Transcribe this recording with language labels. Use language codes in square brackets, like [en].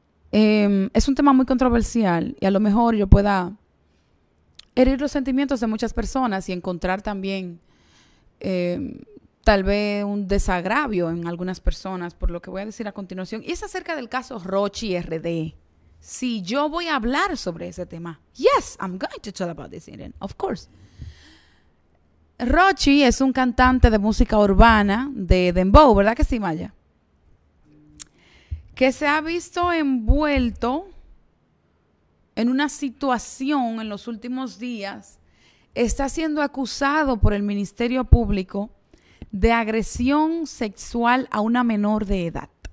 [es] Es un tema muy controversial y a lo mejor yo pueda herir los sentimientos de muchas personas y encontrar también tal vez un desagravio en algunas personas por lo que voy a decir a continuación. Y es acerca del caso Rochy RD. Sí, yo voy a hablar sobre ese tema. [en] Yes, I'm going to talk about this, Irene, of course. [es] Rochy es un cantante de música urbana de Dembow, ¿verdad que sí, Maya? Que se ha visto envuelto en una situación en los últimos días. Está siendo acusado por el Ministerio Público de agresión sexual a una menor de edad.